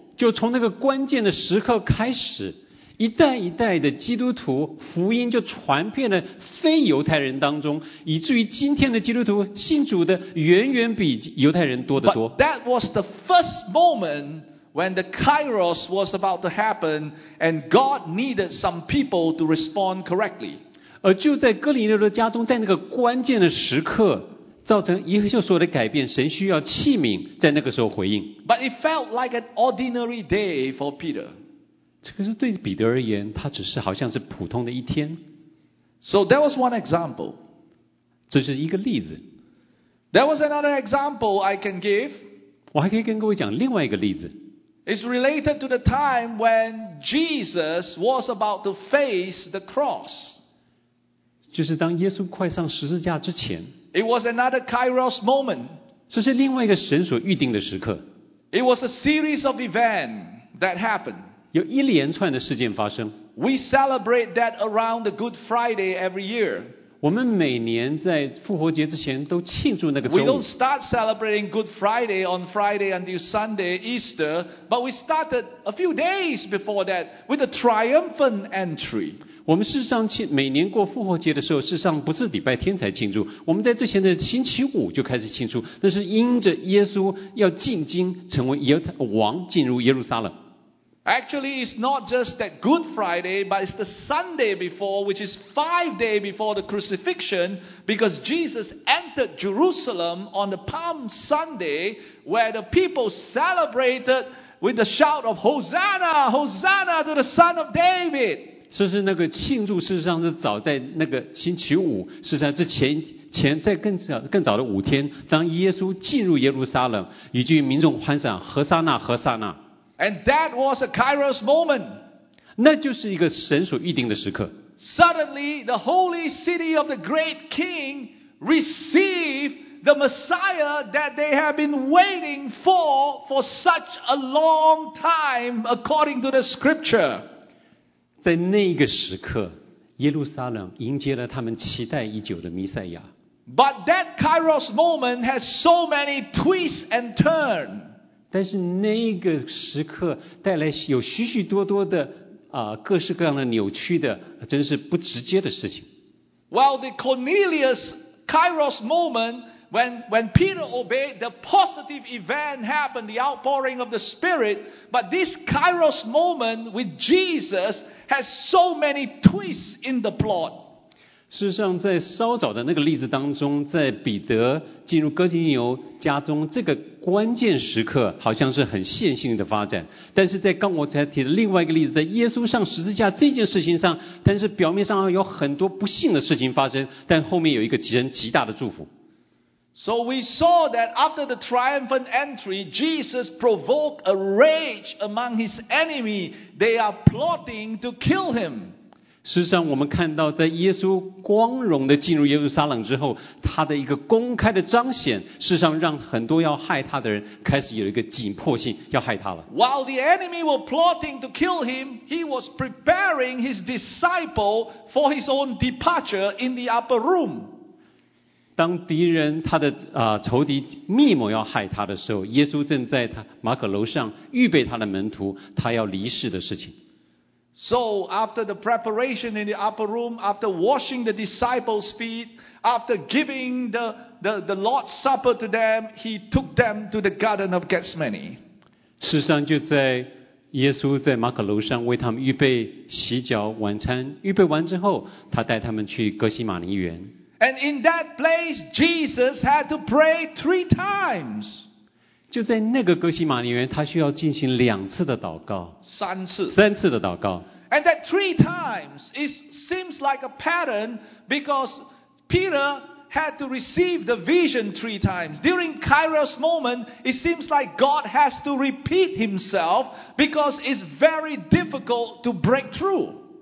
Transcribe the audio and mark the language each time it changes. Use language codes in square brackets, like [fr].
[zh] 就从那个关键的时刻开始。一代一代的基督徒福音就传遍了非犹太人当中，以至于今天的基督徒信主的远远比犹太人多得多。 [en] But that was the first moment when the Kairos was about to happen and God needed some people to respond correctly. [zh] 而就在哥尼流的家中，在那个关键的时刻造成一切所有的改变，神需要器皿在那个时候回应。 [en] But it felt like an ordinary day for Peter. [zh] 这个是对彼得而言，他只是好像是普通的一天。 [en] So that was one example. [zh] 这是一个例子。 [en] There was another example I can give. [zh] 我还可以跟各位讲另外一个例子。 [en] It's related to the time when Jesus was about to face the cross. [zh] 就是当耶稣快上十字架之前。 [en] It was another Kairos moment. [zh] 这是另外一个神所预定的时刻。 [en] It was a series of events that happened. [zh] 有一连串的事件发生。 [en] We celebrate that around the Good Friday every year. [zh] 我们每年在复活节之前都庆祝那个周五。 [en] We don't start celebrating Good Friday on Friday until Sunday, Easter, but we started a few days before that with a triumphant entry. [zh] 我们事实上每年过复活节的时候，事实上不是礼拜天才庆祝，我们在之前的星期五就开始庆祝，那是因着耶稣要进京成为王，进入耶路撒冷。 [en] Actually, it's not just that Good Friday, but it's the Sunday before, which is 5 days before the crucifixion, because Jesus entered Jerusalem on the Palm Sunday, where the people celebrated with the shout of Hosanna, Hosanna to the Son of David. [zh] 是不是那个庆祝事实上是早在那个星期五，事实上是前在更早的五天，当耶稣进入耶路撒冷，以至于民众欢赏何塞纳，何塞纳。 [en] And that was a Kairos moment. [zh] 那就是一个神所预定的时刻。 [en] Suddenly, the holy city of the great king received the Messiah that they have been waiting for such a long time, according to the scripture. [zh] 在那个时刻，耶路撒冷迎接了他们期待已久的弥赛亚。 [en] But that Kairos moment has so many twists and turns. [zh] 但是那个时刻带来有许许多多的各式各样的扭曲的，真是不直接的事情。 [en] While the Cornelius Kairos moment, when Peter obeyed, the positive event happened, the outpouring of the Spirit. But this Kairos moment with Jesus has so many twists in the plot. [zh] 事实上，在稍早的那个例子当中，在彼得进入哥尼流家中这个关键时刻，好像是很线性的发展。但是在刚我才提的另外一个例子，在耶稣上十字架这件事情上，但是表面上有很多不幸的事情发生，但后面有一个极人极大的祝福。 [en] So we saw that after the triumphant entry, Jesus provoked a rage among his enemy. They are plotting to kill him. [zh] 事实上，我们看到在耶稣光荣地进入耶路撒冷之后，他的一个公开的彰显，事实上让很多要害他的人开始有一个紧迫性，要害他了。 [en] While the enemy were plotting to kill him, he was preparing his disciple for his own departure in the upper room. [zh] 当敌人他的仇敌密谋要害他的时候，耶稣正在他马可楼上预备他的门徒他要离世的事情。 [en] So after the preparation in the upper room, after washing the disciples' feet, after giving the Lord's supper to them, he took them to the Garden of Gethsemane. [zh] 事实上，就在耶稣在马可楼上为他们预备洗脚晚餐，预备完之后，他带他们去哥西马尼园。 [en] And in that place, Jesus had to pray three times. [zh] 就在那个哥西马尼园，他需要进行两次的祷告。三次。三次的祷告。 [en] And that three times it seems like a pattern because Peter had to receive the vision three times. During Kairos moment, it seems like God has to repeat himself because it's very difficult to break through.